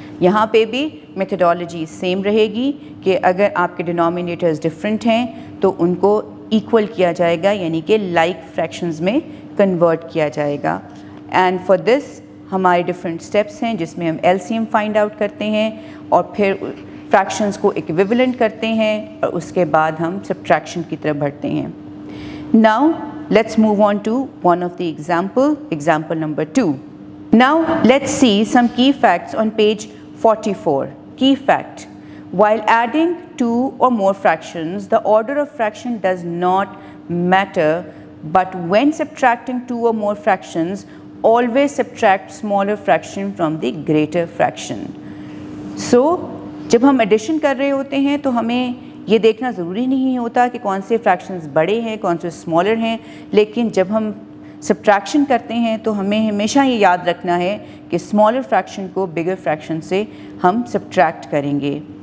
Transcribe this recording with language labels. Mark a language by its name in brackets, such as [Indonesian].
[Urdu] یہاں پہ بھی میتھڈالوجی سیم رہے گی کہ اگر آپ کے ڈینومینیٹرز ڈفرینٹ ہیں تو ان کو ایکول کیا جائے گا, یعنی کہ لائک فریکشنز میں کنورٹ کیا جائے گا. اینڈ فار دس ہمارے ڈفرینٹ اسٹیپس ہیں جس میں ہم L C M find out کرتے ہیں اور پھر فریکشنز کو ایکویولنٹ کرتے ہیں اور اس کے بعد ہم سبٹریکشن کی طرف بڑھتے ہیں. [English] Now let's move on to one of the example number 2. Now let's see some key facts on page 44. Key fact: while adding two or more fractions, the order of fraction does not matter, but when subtracting two or more fractions, always subtract smaller fraction from the greater fraction. [Urdu] So jab hum addition kar rahe hote hain to hame یہ دیکھنا ضروری نہیں ہوتا کہ کون سے fractions بڑے ہیں کون سے اسمالر ہیں, لیکن جب ہم سبٹریکشن کرتے ہیں تو ہمیں ہمیشہ یہ یاد رکھنا ہے کہ اسمالر فریکشن کو بگر فریکشن سے ہم سبٹریکٹ کریں گے.